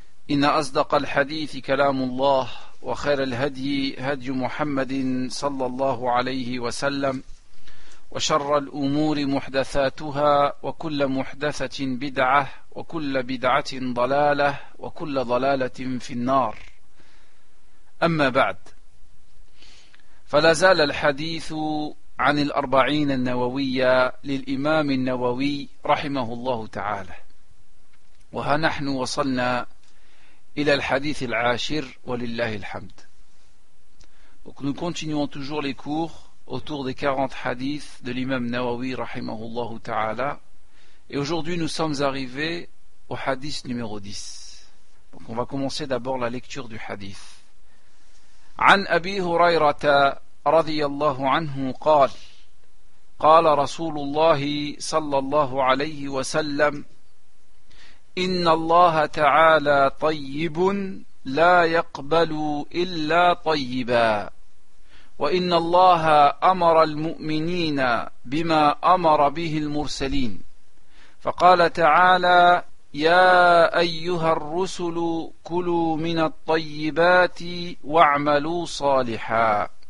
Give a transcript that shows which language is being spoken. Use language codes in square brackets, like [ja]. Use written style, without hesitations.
[ar] إن أصدق الحديث كلام الله وخير الهدي هدي محمد صلى الله عليه وسلم وشر الأمور محدثاتها وكل محدثة بدعة وكل بدعة ضلالة وكل ضلالة في النار أما بعد فلا زال الحديث عن الأربعين النووية للإمام النووي رحمه الله تعالى وها نحن وصلنا إلى الحديث العاشر ولله الحمد. [fr] Donc nous continuons toujours les cours autour des 40 hadiths de l'imam Nawawi rahimahullahu ta'ala. Et aujourd'hui nous sommes arrivés au hadith numéro 10. Donc on va commencer d'abord la lecture du hadith. [ar] عن أبي هريرة رضي الله عنه قال قال رسول الله صلى الله عليه وسلم إن الله تعالى طيب لا يقبل إلا طيبا وإن الله أمر المؤمنين بما أمر به المرسلين فقال تعالى يا أيها الرسل كلوا من الطيبات واعملوا صالحا